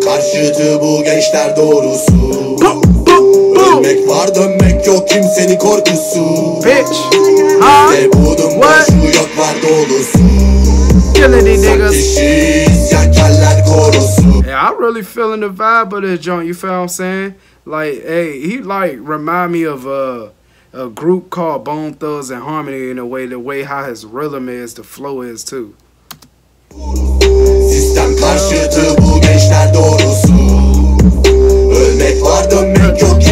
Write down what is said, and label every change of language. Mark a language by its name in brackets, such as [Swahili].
[Turkish] karşıtı bu gençler doğrusu. Ölmek var dönmek yok kimsenin korkusu. [English] Bitch, huh? [Turkish] Ne buldun boşu yok var dolusu. [English] Yeah, I'm really feeling the vibe of this joint, you feel what I'm saying? Like, hey, he like remind me of a group called Bone Thugs and Harmony in a way, the way how his rhythm is, the flow is too. [Turkish] Sistem karşıtı bu gençler doğrusu. Ölmek var dönmek